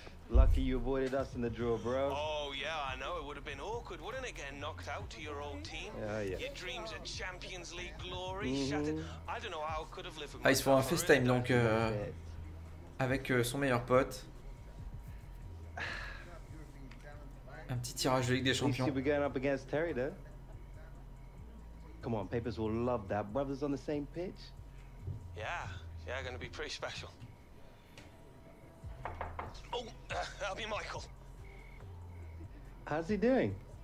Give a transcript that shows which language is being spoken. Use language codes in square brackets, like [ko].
[en] Lucky you avoided us in the draw, bro. Oh yeah, I know it would have been awkward, wouldn't it, getting knocked out to your old team? Yeah. Your dreams of Champions League glory shattered. I don't know how I could have lived. [fr] Ah, ils font un FaceTime donc avec son meilleur pote. Un petit tirage de Ligue des Champions. [en] We're going up against Terry, though. Come on, papers will love that. Brothers on the same pitch. Yeah, going to be pretty special. Oh, that'll be Michael. How's he doing?